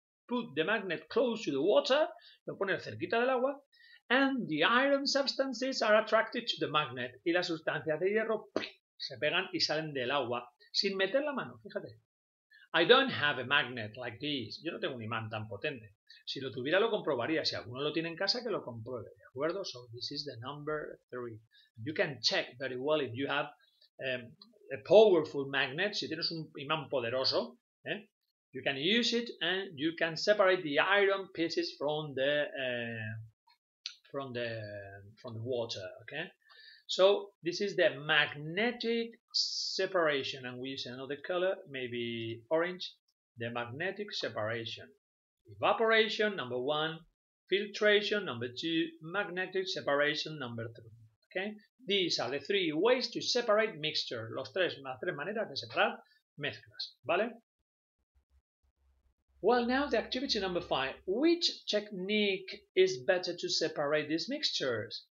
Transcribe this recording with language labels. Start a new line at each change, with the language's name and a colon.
English: put the magnet close to the water,
Spanish: lo pones cerquita del agua,
English: and the iron substances are attracted to the magnet,
Spanish: y las sustancias de hierro se pegan y salen del agua sin meter la mano, fíjate.
English: I don't have a magnet like this.
Spanish: Yo no tengo un imán tan potente. Si lo tuviera, lo comprobaría. Si alguno lo tiene en casa, que lo compruebe. ¿De acuerdo?
English: So this is the number 3. You can check very well if you have a powerful magnet.
Spanish: Si tienes un imán poderoso,
English: you can use it and you can separate the iron pieces from the water. Okay? So this is the magnetic separation, and we use another color, maybe orange. The magnetic separation. Evaporation, number 1. Filtration, number 2. Magnetic separation, number 3. Okay? These are the 3 ways to separate mixture.
Spanish: Los tres, las tres maneras de separar mezclas, ¿vale?
English: Well, now the activity number 5. Which technique is better to separate these mixtures?